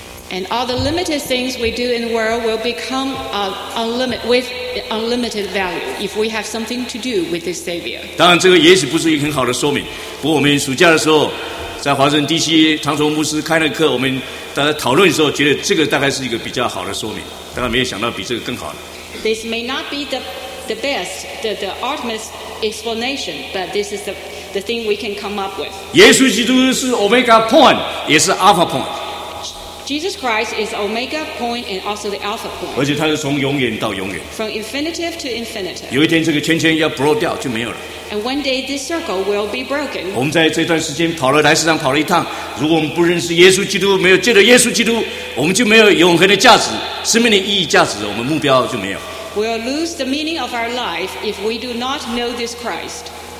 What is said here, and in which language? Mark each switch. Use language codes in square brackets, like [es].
[en] And all the limited things we do in the world will become unlimited value if we have something to do with this Savior. [zh] 当然这个也许不是一个很好的说明，不过我们暑假的时候在华盛DC长荣牧师开了课，我们大家讨论的时候觉得这个大概是一个比较好的说明，大家没有想到比这个更好的。This [en] may not be the best, the ultimate explanation, but this is the thing we can come up with. [zh] 耶稣基督是 Omega Point, 也是 Alpha Point. [en] Jesus Christ is Omega Point and also the Alpha Point. [zh] 而且他是从永远到永远。 [en] From infinitive to infinitive. [zh] 有一天这个圈圈要 broke 掉就没有了。 [en] And one day this circle will be broken. [zh] 我们在这段时间跑了来世上跑了一趟，如果我们不认识耶稣基督，没有借着耶稣基督，我们就没有永恒的价值、生命的意义、价值，我们目标就没有。 [en] We'll lose the meaning of our life if we do not know this Christ.